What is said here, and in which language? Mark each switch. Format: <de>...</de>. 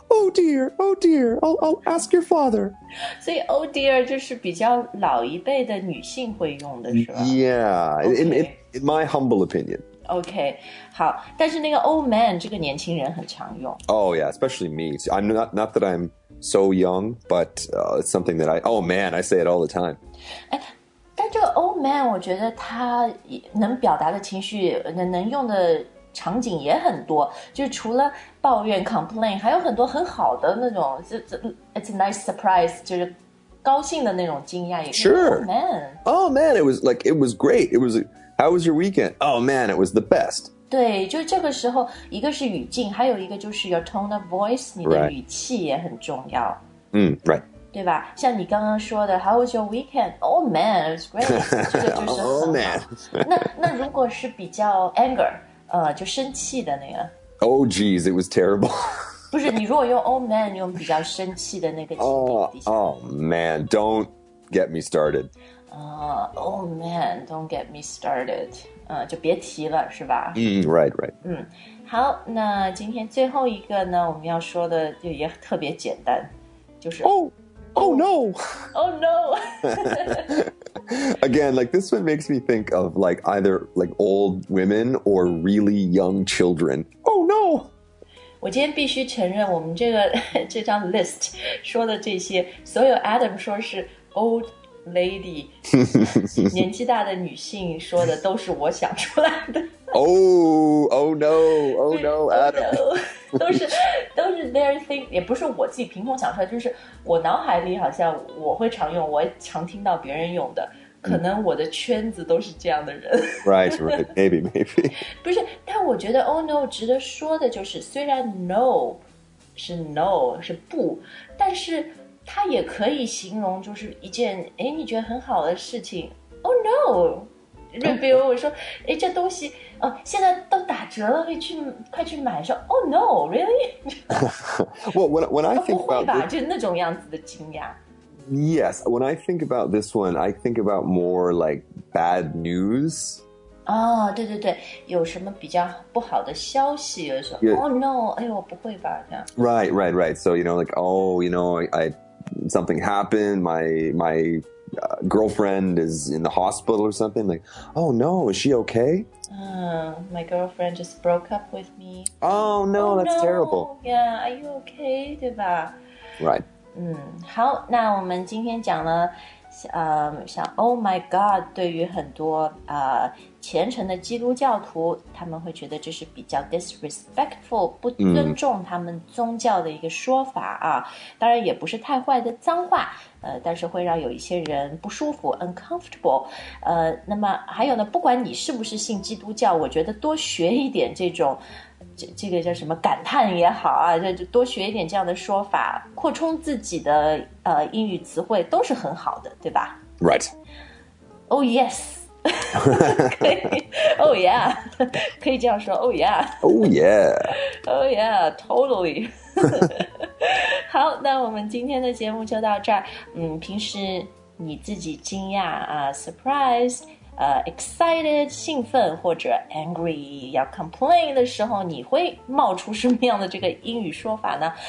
<en>Oh dear, oh dear. I'll ask your father.</en> <zh>所以</zh> <en>oh dear</en> <zh>就是比较老一辈的女性会用的是吧</zh> <en>Yeah,、 okay. in my humble opinion. OK,</en> <zh>好，但是那个</zh> <en>old man</en> <zh>这个年轻人很常用。</zh> <en>Oh yeah, especially me. I'm not that I'm so young, but it's something that I, oh man, I say it all the time.</en> <zh>但这个</zh> <en>old man</en> <zh>我觉得他能表达的情绪能用的场景也很多，就是除了抱怨</zh> <en>complain,</en> <zh>还有很多很好的那种</zh> <en>it's a nice surprise,</en> <zh>就是高兴的那种惊讶。</zh> <en>Sure. Old man. Oh man, it was great. It was... How was your weekend? Oh man, it was the best.</en> <zh>对，就这个时候，一个是语境，还有一个就是</zh> <en>your tone of voice，</en> <zh>你的语气也很重要。</zh> <en>嗯 ，right。</en> <zh>对吧？像你刚刚说的 ，</zh> <en>How was your weekend? Oh man, it was great.</en> <zh>这个就是很好。</zh> <en>Oh man.</en> <zh>那如果是比较</zh> <en>anger，</en> <zh>就生气的那个。</zh> <en>Oh geez, it was terrible.</en> <zh>不是，你如果用</zh> <en>oh man，</en> <zh>用比较生气的那个情景。</zh> <en>Oh man, don't get me started. Oh man, don't get me started.</en> <zh>就别提了，是吧？</zh> <en>嗯、right, right.</en> <zh>嗯，好，那今天最后一个呢，我们要说的就也特别简单，就是</zh> <en>Oh no! Again, like this one makes me think of like either like old women or really young children. Oh no!</en> <zh>我今天必须承认，我们这个这张 list 说的这些，所有 Adam 说是</zh> <en>old lady，</en> <zh>年纪大的女性说的都是我想出来的。</zh> <en>Oh no, Adam. No.</en> <zh>都是</zh> <en>their thing，</en> <zh>也不是我自己凭空想出来，就是我脑海里好像我会常用，我常听到别人用的，可能我的圈子都是这样的人。</zh> <en>Right, right, maybe, maybe.</en> <zh>不是，但我觉得</zh> <en>oh no</en> <zh>值得说的就是，虽然 no 是 no 是不，但是它也可以形容就是一件哎你觉得很好的事情。</zh> <en>Oh no。</en> <zh>比如我说哎，这东西、现在都打折了，可以去快去买，说</zh> <en>Oh no, really? Well, when I think about this,</en> <zh>就那种样子的惊讶。</zh> <en>Yes, when I think about this one, I think about more like bad news. Oh,</en> <zh>对对对，有什么比较不好的消息，就说</zh> <en>Yeah. Oh no,</en> <zh>哎呦，不会吧，这样。</zh> <en>Right, right, right. So, you know, like, oh, you know, I something happened, my girlfriend is in the hospital or something, like, oh no, is she okay? My girlfriend just broke up with me. Oh no, oh, that's no. terrible. Yeah, are you okay?</en> <zh>对吧？</zh> <en>Right.</en> <zh>嗯，好，那我们今天讲了，像</zh> <en>oh my god,</en> <zh>对于很多虔诚的基督教徒，他们会觉得这是比较</zh> <en>disrespectful,</en> <zh>不尊重他们宗教的一个说法啊。当然也不是太坏的脏话，但是会让有一些人不舒服</zh> <en>uncomfortable。</en> <zh>那么还有呢，不管你是不是信基督教，我觉得多学一点这种这个叫什么感叹也好啊，就多学一点这样的说法，扩充自己的英语词汇都是很好的，对吧？</zh> <en>Right. Oh yes.</en> <zh>可以</zh> <en>oh yeah,</en> <zh>可以这样说 oh yeah,</zh> <en>oh yeah, oh yeah, totally.</en> <zh>好，那我们今天的节目就到这儿。嗯，平时你自己惊讶啊、</zh> <en>surprised, excited,</en> <zh>兴奋或者</zh> <en>angry,</en> <zh>要</zh> <en>complain</en> <zh>的时候，你会冒出什么样的这个英语说法呢？</zh>